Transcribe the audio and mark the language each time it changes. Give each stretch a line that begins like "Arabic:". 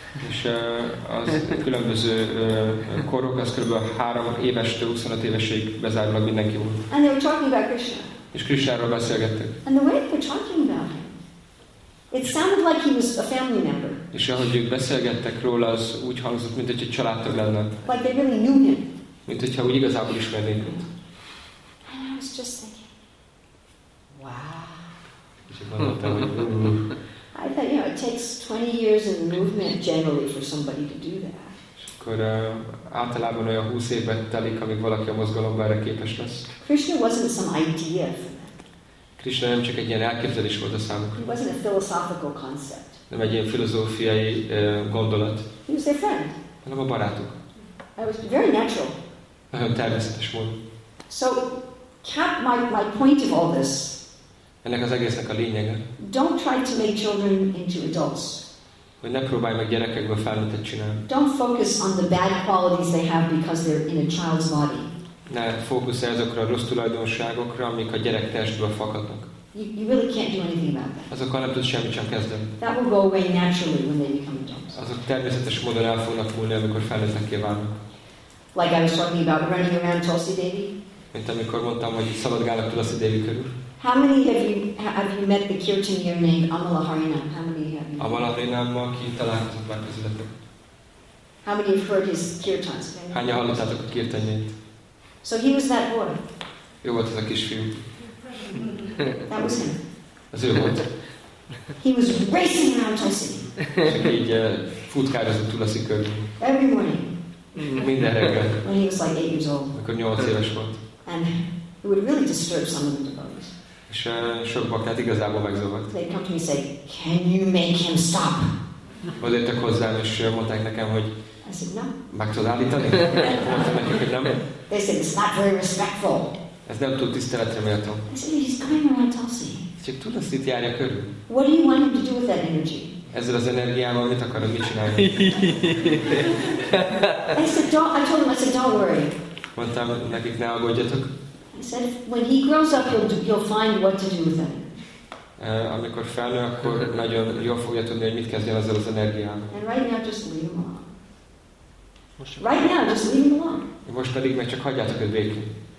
Hungarian: És az különböző korok, az kb. 3 évestől 25 évesig bezárólag mindenki volt.
English: And they were talking about Krishna.
Hungarian: És Krishnáról beszélgettek.
English: And the way they were talking about him, it sounded like he was a family member.
Hungarian: És ahogy ők beszélgettek róla, az úgy hangzott, mint hogy egy családtag lenne.
English: Like they really knew him.
Hungarian: Mint hogyha úgy igazából ismernék őt.
English: And I was just thinking, wow.
Hungarian: És gondoltam, hogy
English: I thought, you know, it takes 20 years in the movement generally for somebody to do that.
Hungarian: És akkor általában olyan 20 évet telik, amíg valaki a mozgalomban erre képes lesz.
English: Krishna wasn't some idea for them.
Hungarian: Krishna nem csak egy ilyen elképzelés volt a számukra.
English: He wasn't a philosophical concept.
Hungarian: Nem egy ilyen filozófiai gondolat.
English: He was their friend.
Hungarian: Hanem a barátuk.
English: It was very natural.
Hungarian: Nagyon természetes volt.
English: So, my point of all this.
Hungarian: Ennek az egésznek a lényege.
English: Don't try to make children into adults.
Hungarian: Hogy ne próbálj meg gyerekekbe felnőttet csinálni.
English: Don't focus on the bad qualities they have because they're in a child's body.
Hungarian: Ne fókuszálj azokra a rossz tulajdonságokra, amik a gyerek testből fakadnak.
English: You really can't do anything about that.
Hungarian: Azokkal nem tudsz semmit sem kezdeni.
English: That will go away naturally when they become adults.
Hungarian: Azok természetes módon el fognak múlni, amikor felnőtteké válnak.
English: Like I was talking about running around Tulsi Devi.
Hungarian: Mint amikor mondtam, hogy szabadgálok Tulsi Devi körül.
English: How many have you met the kirtanier named Amala Harinam? How many have you?
Hungarian: Amala Harinammal ki találkozott már közületek.
English: How many have heard his kirtans?
Hungarian: Hányan hallottátok a kirtanjét?
English: So he was that boy.
Hungarian: Jó volt ez a kisfiú.
English: That was him.
Hungarian: Az ő volt.
English: He was racing around Tulsi.
Hungarian: Csak így futkározott Tulsi körül.
English: Every morning.
Hungarian: Minden reggel.
English: When he was like 8 years old.
Hungarian: Akkor 8 éves volt.
English: And it would really disturb some of the devotees.
Hungarian: És sok baktát igazából megzavart.
English: They'd come to me and say, can you make him stop?
Hungarian: Vagy jöttek hozzám, és mondták nekem, hogy
English: I said, no.
Hungarian: Meg tudod állítani? Mondtam nekik, hogy nem.
English: They said, it's not very respectful.
Hungarian: Ez nem túl tiszteletre méltó.
English: He's coming around Tulsi.
Hungarian: Csak Tulsit járja körül.
English: What do you want him to do with that energy?
Hungarian: Ezzel az energiával mit akarod, mit csinálni?
English: I told him, don't worry.
Hungarian: Mondtam nekik, ne aggódjatok.
English: I said, when he grows up, you'll find what to do with him.
Hungarian: Amikor felnő, akkor nagyon jól fogja tudni, hogy mit kezdjen ezzel az energiával.
English: And right now, just leave him alone. Right now, just leave him alone.
Hungarian: Most pedig meg csak hagyjátok őt békén.